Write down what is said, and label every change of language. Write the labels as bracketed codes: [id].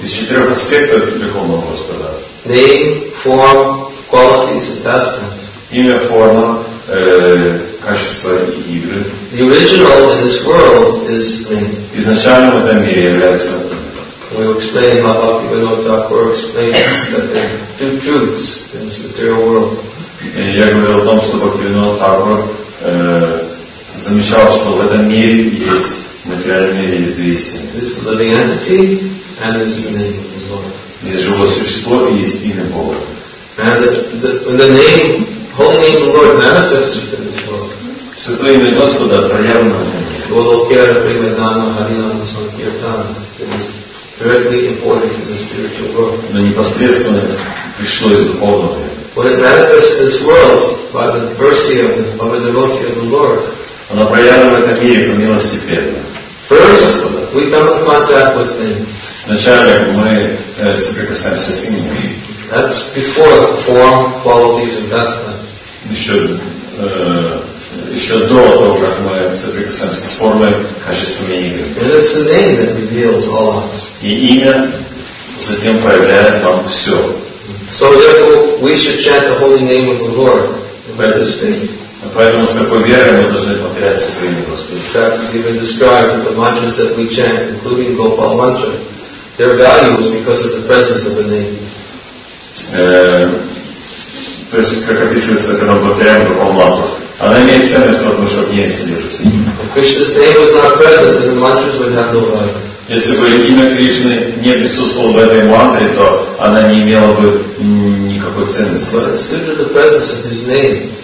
[ru] Из четырех аспектов Верховного Господа. [en] Name, form, qualities, and pastimes. [ru] Имя, форма, качество и игры. [en] The original in this world is name. [ru] Изначально в этом мире является. [en] We'll explain how Bhaktivinoda Thakur explains that there are two truths in this material world. [ru] И я говорил о том, что Бхактивинода Тхакур замечал, что в этом мире есть, в материальном мире есть две истины. [en] It's the living entity and it's the name of the Lord. [ru] Есть живое существо и есть имя Бога. [en] And the name, holy name of the Lord manifests within this world. [ru] Святое имя Господа проявлено в Волокера, Примадана, Харинана, Санкиртана. [en] It is directly important to the spiritual world. [ru] Но непосредственно пришло из духовного мира. [en] But it manifests in this world by the mercy of the Bhava Devotee of the Lord. [ru] Она проявлена в этом мире по милости первой. [en] First, we come in contact with Him. [ru] Вначале мы соприкасаемся с Ним. [en] That's before the form, qualities, and pastimes. [ru] Еще до того, как мы соприкасаемся с формой, качеством и игры. [en] And it's the name that reveals all of us. [ru] И имя затем проявляет вам все. [en] So therefore, we should chant the holy name of the Lord with this faith. [ru] Поэтому с какой верой мы должны повторять Святое Господь. [en] In fact, it's even described that the mantras that we chant, including Gopal mantra, their value is because of the presence of the name. [ru] То есть, как описывается, когда мы повторяем Gopal mantra, она имеет ценность, потому что в ней содержится имя. [en] If Krishna's name was not present, then the mantras would have no value. [ru] Если бы имя Кришны не присутствовало в этой мантре, то она не имела бы никакой ценности.